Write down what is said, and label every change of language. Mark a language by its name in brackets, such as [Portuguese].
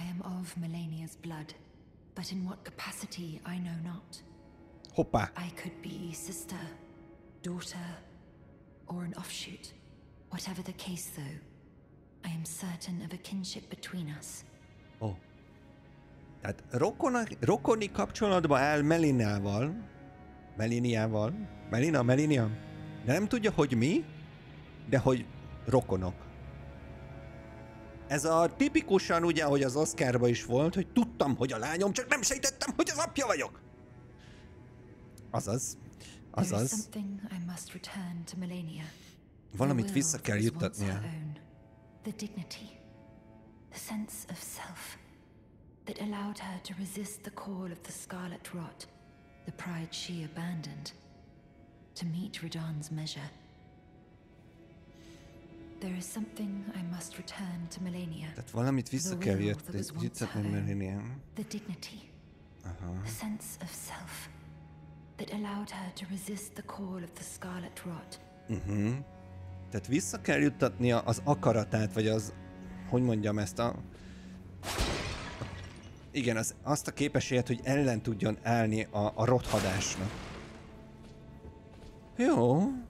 [English] I am of Melania's blood, but in what capacity, I know not. [Hungarian] Hoppa. [English] I could be sister, daughter, or an offshoot. Whatever the case, though, I am certain of a kinship between us. Oh. [Hungarian] Tehát rokoni kapcsolatba áll Melinával. Meliniával. Melinia. De nem tudja, hogy mi, de hogy... rokonok. Ez a tipikusan ugye, hogy az Oscarban is volt, hogy tudtam, hogy a lányom, csak nem sejtettem, hogy az apja vagyok. Azaz. [English] There is something I must return to Melania. [Hungarian] Valamit vissza kell juttatnia. [English] the dignity, the sense of self that allowed her to resist the call of the Scarlet Rot, the pride she abandoned, to meet Radahn's measure. There is something I must return to Millenia. [Hungarian] Tehát valamit vissza kell jöttetni Millenia. [English] The dignity, the sense of self that allowed her to resist the call of the Scarlet Rot. [Hungarian] Tehát vissza kell juttatnia az akaratát, vagy az, hogy mondjam ezt a... Igen, az, azt a képességet, hogy ellen tudjon állni a rothadásnak. Jó.